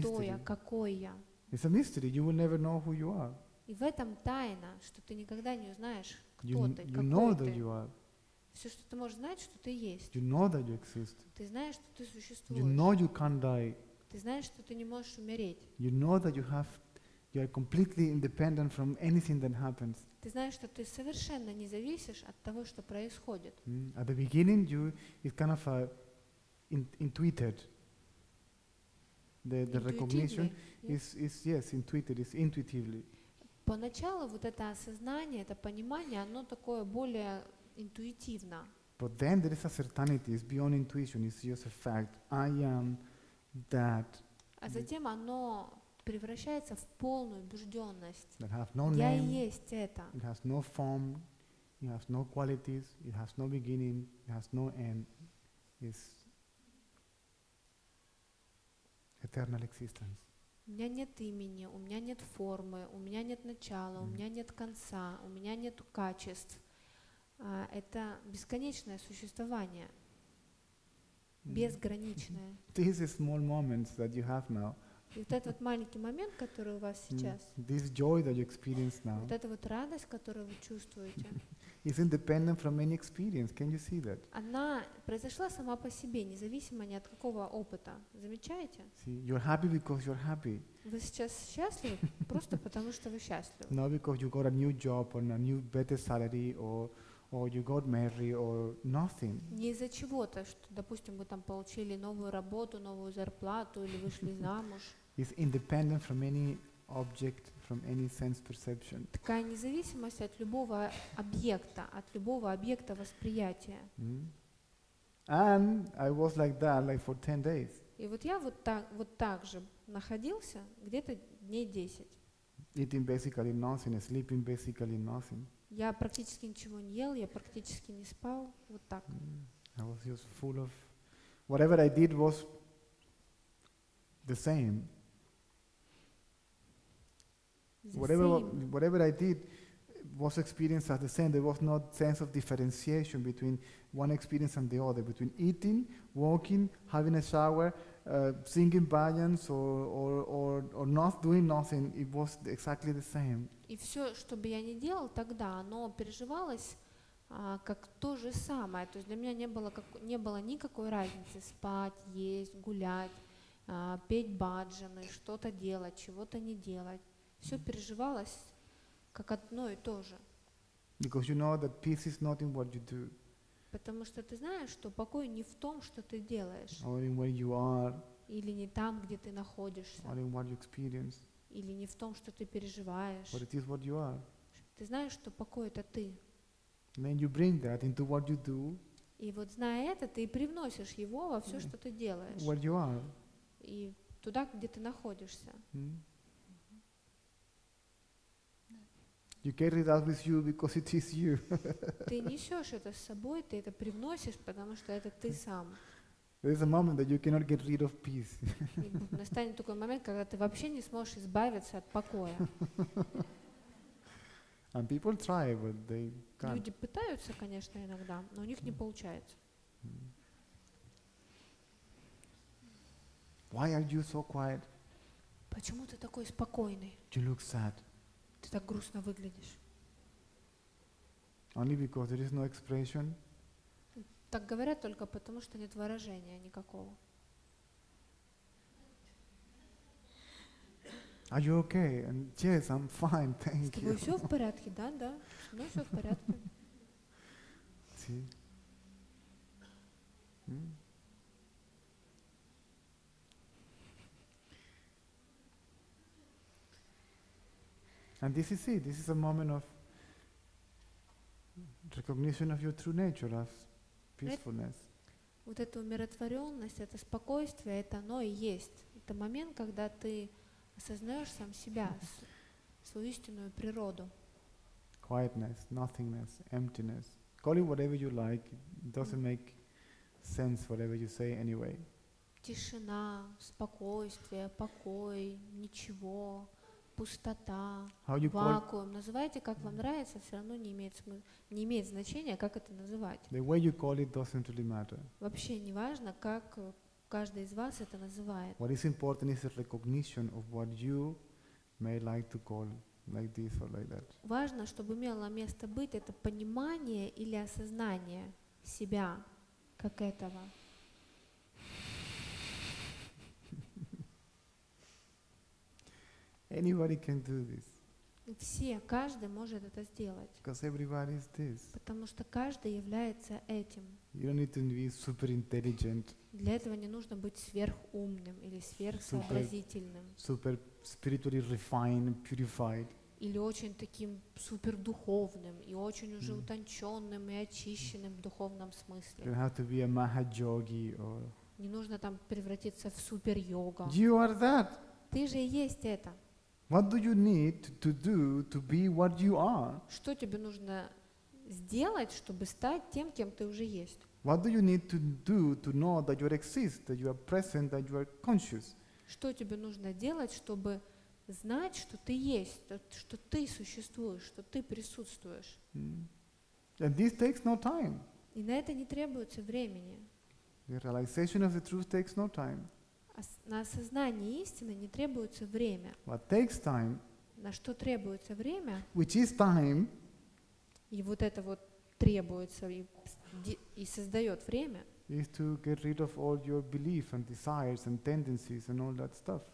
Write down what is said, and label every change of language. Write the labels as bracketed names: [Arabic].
[Russian] Кто я? Какой я? [English] It's a mystery. You will never know who you are. [Russian] И в этом тайна, что ты никогда не узнаешь, кто [English] you, [Russian] ты, [English] you [Russian] какой [English] that [Russian] ты. [English] You are. [Russian] Все, что ты можешь знать, что ты есть. [English] You know that you exist. [Russian] Ты знаешь, что ты существуешь. [English] You know you can't die. [Russian] Ты знаешь, что ты не можешь умереть. [English] You know that you have, you are completely independent from anything that happens. [Russian] Ты знаешь, что ты совершенно не зависишь от того, что происходит. Mm. [English] At the beginning, you is kind of a intuited. The recognition is yes, intuited, is intuitively. [Russian] Поначалу вот это осознание, это понимание, оно такое более интуитивно. [English] But then there is a certainty, it's beyond intuition, it's just a fact. I am that. [Russian] А затем оно превращается в полную убежденность. [English] That have no [Russian] я [English] name. [Russian] Я и есть это. [English] It has no form. It has no qualities. It has no beginning. It has no end. It's eternal existence. [Russian] У меня нет имени, у меня нет формы, у меня нет начала, у меня нет конца, у меня нет качеств. Это бесконечное существование, безграничное. [English] These small moments that you have now. [Russian] И вот этот маленький момент, который у вас сейчас. [English] This joy that you experience now. [Russian] Вот эта вот радость, которую вы чувствуете. [English] It's independent from any experience. Can you see that? [Russian] Она произошла сама по себе, независимо ни от какого опыта. Замечаете? [English] See, you're happy because you're happy. [Russian] Вы сейчас счастливы просто потому, что вы счастливы. [English] Not because you got a new job or a new better salary or you got married or nothing. [Russian] Не из-за чего-то, что, допустим, вы там получили новую работу, новую зарплату или вышли замуж. [English] It's independent from any object. From any sense perception. [Russian] Такая независимость от любого объекта, от любого объекта восприятия. [English] And I was like that, like for 10 days. [Russian] И вот я вот так же находился где-то дней 10. [English] Eating basically nothing, sleeping basically nothing. [Russian] Я практически ничего не ел, я практически не спал, вот так. [English] I was just full of whatever I did was the same. Whatever I did was experienced as the same. There was no sense of differentiation between one experience and the other, between eating, walking, having a shower, singing bhajans or not doing nothing. It was exactly the same. [Russian] И все, что бы я ни делал тогда, оно переживалось как то же самое. То есть для меня не было, как, не было никакой разницы спать, есть, гулять, петь баджаны, что-то делать, чего-то не делать. Все переживалось как одно и то же. [English] Because you know that peace is not in what you do. [Russian] Потому что ты знаешь, что покой не в том, что ты делаешь. [English] Or in where you are. [Russian] Или не там, где ты находишься. [English] Or in what you experience. [Russian] Или не в том, что ты переживаешь. [English] But it is what you are. [Russian] Ты знаешь, что покой — это ты. [English] Then you bring that into what you do. [Russian] И вот зная это, ты привносишь его во все, что ты делаешь. [English] Where you are. [Russian] И туда, где ты находишься. [English] You carry that with you because it is you. [Russian] Ты несешь это с собой, ты это привносишь, потому что это ты сам. [English] There is a moment that you cannot get rid of peace. [Russian] Настанет такой момент, когда ты вообще не сможешь избавиться от покоя. [English] And people try, but they can't. [Russian] Люди пытаются, конечно, иногда, но у них не получается. [English] Why are you so quiet? [Russian] Почему ты такой спокойный? [English] You look sad. [Russian] Ты так грустно выглядишь. [English] Only because there is no expression. [Russian] Так говорят только потому, что нет выражения никакого. [English] Are you okay? And yes, I'm fine, thank you. [Russian] С тобой все в порядке, да, да? Ну, все в порядке. [English] See? And this is it. This is a moment of recognition of your true nature as peacefulness. [Russian] Вот эта умиротворенность, это спокойствие, это оно и есть. Это момент, когда ты осознаешь сам себя, свою истинную природу. [English] Quietness, nothingness, emptiness. Call it whatever you like. It doesn't make sense whatever you say anyway. [Russian] Тишина, спокойствие, покой, ничего. Пустота, вакуум. Называйте, как вам нравится, все равно не имеет значения, как это называть. [English] The way you call it doesn't really matter. [Russian] Вообще не важно, как каждый из вас это называет. [English] What is important is the recognition of what you may like to call like this or like that. [Russian] Важно, чтобы имело место быть это понимание или осознание себя как этого. [English] Anybody can do this. [Russian] Все, каждый может это сделать. [English] Because everybody is this. [Russian] Потому что каждый является этим. [English] You don't need to be super intelligent. [Russian] Для этого не нужно быть сверхумным или сверхсообразительным. [English] Super spiritually refined, purified. [Russian] Или очень таким супердуховным и очень уже утонченным и очищенным в духовном смысле. [English] You don't have to be a mahajogi or. [Russian] Не нужно там превратиться в супер-йога. [English] You are that. [Russian] Ты же и есть это. [English] What do you need to do to be what you are? [Russian] Что тебе нужно сделать, чтобы стать тем, кем ты уже есть? [English] What do you need to do to know that you exist, that you are present, that you are conscious? [Russian] Что тебе нужно делать, чтобы знать, что ты есть, что ты существуешь, что ты присутствуешь? [English] And this takes no time. [Russian] И на это не требуется времени. [English] The realization of the truth takes no time. [Russian] На осознание истины не требуется время. [English] What takes time, [Russian] на что требуется время, [English] which is time, [Russian] и вот это вот требуется и создает время, [English] is to get rid of all your belief and desires and tendencies and all that stuff.